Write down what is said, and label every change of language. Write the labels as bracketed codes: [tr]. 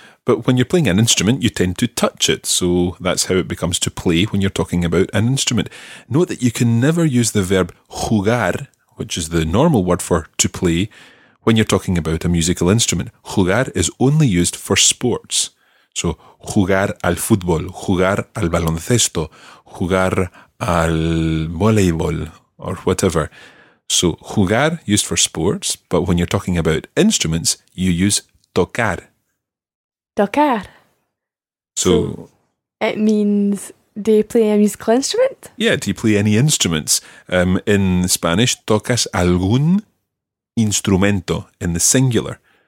[en] But when you're playing an instrument, you tend to touch it. So that's how it becomes to play when you're talking about an instrument. Note that you can never use the verb jugar, which is the normal word for to play, when you're talking about a musical instrument. Jugar is only used for sports. [es] So, jugar al fútbol, jugar al baloncesto, jugar al voleibol, [en] or whatever. So, jugar used for sports, but when you're talking about instruments, you use tocar. [es] Tocar. [en] So, it means, do you play a musical instrument? Yeah, do you play any instruments? In Spanish, [es] tocas algún instrumento, [en] in the singular.